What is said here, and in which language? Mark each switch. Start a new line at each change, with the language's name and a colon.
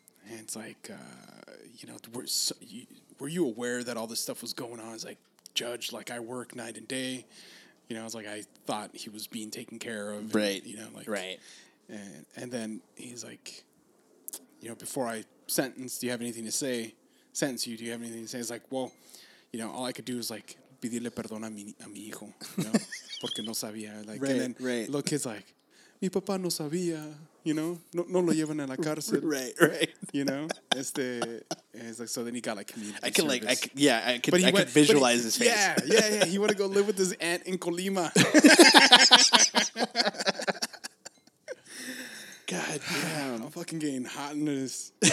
English: And it's like, you know, were you aware that all this stuff was going on? It's like, judge, like, I work night and day. You know, I was like, I thought he was being taken care of. Right. And, you know, like, right. And then he's like, you know, before I sentence, do you have anything to say? Sentence you, do you have anything to say? He's like, well, you know, all I could do is like,
Spanish: pedirle perdón a mi hijo,
English: you know,
Spanish: porque no sabía.
English: Like, right, and then right. Little kid's like,
Spanish: mi papá no sabía, you know, no lo llevan a la cárcel.
English: Right, right. You know, he's like, so then he got like community service. I could visualize his face. Yeah. He want to go live with his aunt in Colima. God damn. I'm fucking getting hot in this.